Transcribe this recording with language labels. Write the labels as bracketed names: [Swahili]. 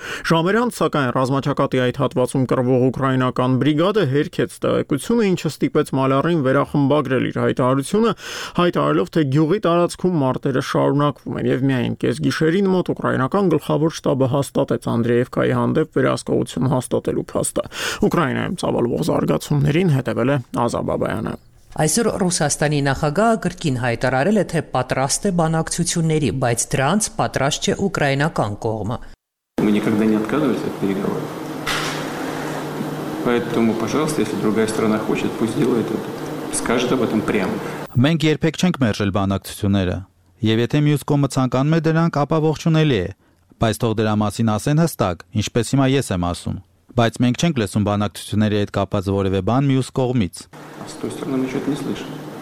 [Armenian] Ժամեր անց, սակայն, ռազմաճակատի այդ հատվածում կռվող ուկրաինական բրիգադը հերքեց տեղեկությունը, ինչը ստիպեց Մալյարին վերախմբագրել իր հայտարարությունը, հայտարարելով, թե գյուղի տարածքում մարտերը շարունակվում են, և միայն կեսգիշերին մոտ ուկրաինական գլխավոր շտաբը հաստատեց Անդրեևկայի հանդեպ վերահսկողություն հաստատելու փաստը։ Ուկրաինայում ծավալվող զարգացումներին հետևել է Ազա Բաբայանը։ Այսօր Ռուսաստանի նախագահը կրկին հայտարարել է, թե պատրաստ է բանակցությունների, բայց դրանց պատրաստ չէ ուկրաինական կողմը։ [Russian] Мы никогда не отказывались от переговоров. Поэтому, пожалуйста, если другая сторона хочет, пусть делает это. Скажет об этом прямо. [Armenian] Մենք երբեք չենք մերժել բանակցությունները, եւ եթե մյուս կողմը ցանկանում է դրանք, ապա ողջունելի է, բայց թող դրա մասին ասեն հստակ, ինչպես հիմա ես եմ ասում, բայց մենք չենք լսում բանակցությունների հետ կապված որևէ բան մյուս կողմից։ Ստույց ստորնա միջոց не слышим.